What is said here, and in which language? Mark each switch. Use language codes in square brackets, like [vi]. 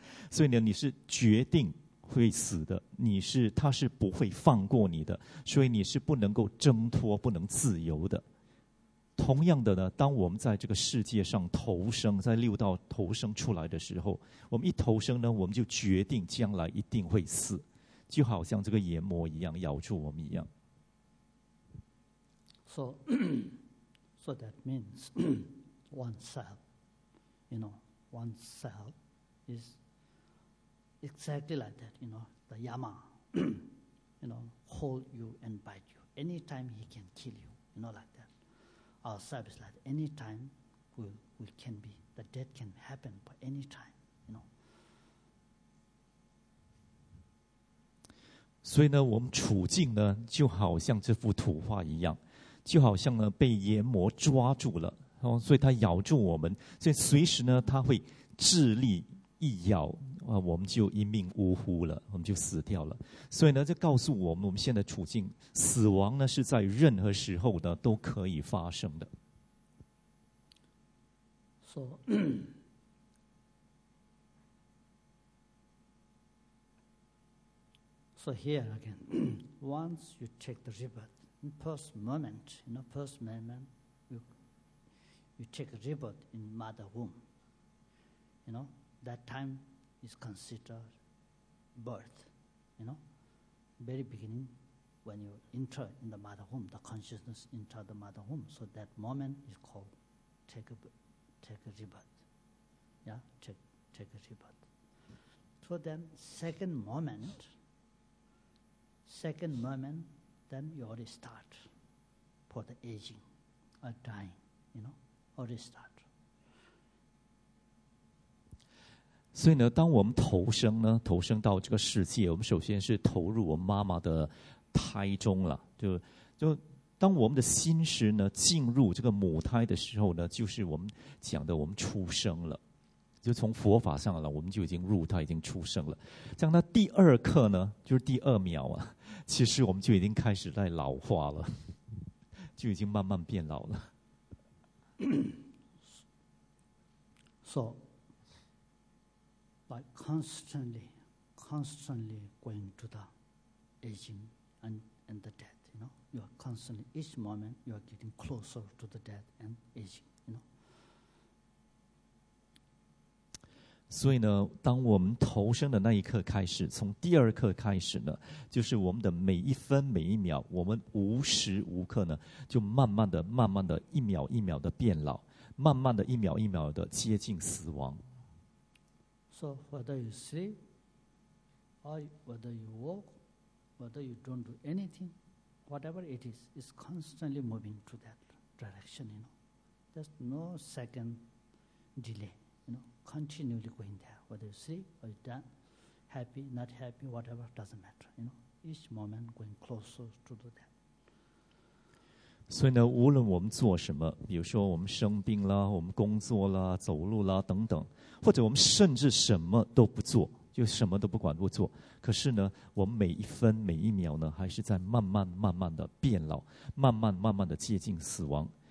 [zh] 所以呢，你是决定会死的，他是不会放过你的，所以你是不能够挣脱、不能自由的。同样的呢，当我们在这个世界上投生，在六道投生出来的时候，我们一投生呢，我们就决定将来一定会死，就好像这个阎魔一样咬住我们一样。 [en] So that means oneself, you know, oneself is exactly like that, you know, the yama, you know, hold you and bite you. Anytime he can kill you, you know, like that. Ourself is like anytime we can be, the death can happen for any time, you know. [zh] 所以呢，我们处境呢，就好像这幅图画一样，就好像呢，被阎魔抓住了。哦，所以他咬住我们，所以随时呢，他会智力一咬，我们就一命呜呼了，我们就死掉了。所以呢，这告诉我们，我们现在处境，死亡呢是在任何时候呢都可以发生的。 [en] So, so here again, once you take the rebirth, in first moment, in the first moment. You take a rebirth in mother womb. You know, that time is considered birth. You know, very beginning when you enter in the mother womb, the consciousness enter the mother womb. So that moment is called take a rebirth. Yeah, take a rebirth. So then second moment, then you already start for the aging or dying, you know. [zh] 所以呢，当我们投生呢，投生到这个世界，我们首先是投入我妈妈的胎中了。就当我们的心识呢进入这个母胎的时候呢，就是我们讲的我们出生了。就从佛法上了，我们就已经入胎，已经出生了。像那第二刻呢，就是第二秒啊，其实我们就已经开始在老化了，就已经慢慢变老了。 [en] So, by constantly going to the aging and the death, you know, you are constantly, each moment, you are getting closer to the death and aging, you know. [zh] 所以呢，当我们投生的那一刻开始，从第二刻开始呢，就是我们的每一分每一秒，我们无时无刻呢，就慢慢的，一秒一秒的变老。慢慢的，一秒一秒的接近死亡。 [en] So whether you sleep, or whether you walk, whether you don't do anything, whatever it is, is constantly moving to that direction. You know, there's no second delay. You know, continually going there. Whether you sleep or you're done, happy, not happy, whatever doesn't matter. You know, each moment going closer to that. [zh] 所以呢，无论我们做什么，比如说我们生病啦，我们工作啦，走路啦等等，或者我们甚至什么都不做，就什么都不管不做，可是呢，我们每一分每一秒呢，还是在慢慢的变老，慢慢的接近死亡。